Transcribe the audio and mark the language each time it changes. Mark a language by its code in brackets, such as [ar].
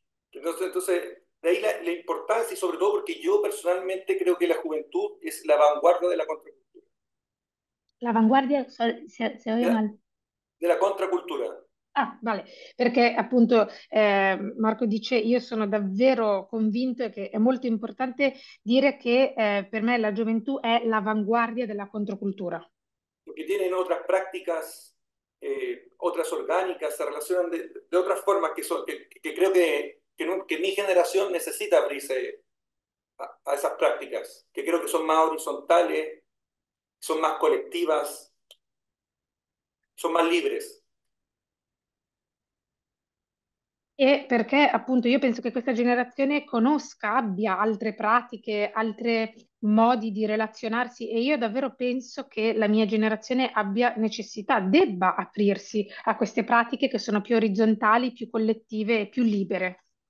[es] Entonces, de ahí la importancia, y sobre todo porque yo personalmente creo que la juventud es la vanguardia de la contracultura. [it] L'avanguardia, se ho [es] ¿Ya? [it] mal. [es] De la contracultura. [it] Ah, vale, perché appunto Marco dice: io sono davvero convinto che è molto importante dire che per me la gioventù è l'avanguardia della controcultura. [es] Que tienen otras prácticas, otras orgánicas, se relacionan de otras formas que creo que mi generación necesita abrirse a esas prácticas, que creo que son más horizontales, son más colectivas, son más libres. [it] E perché appunto io penso che questa generazione conosca, abbia altre pratiche, altri modi di relazionarsi e io davvero penso che la mia generazione abbia necessità, debba aprirsi a queste pratiche che sono più orizzontali, più collettive e più libere.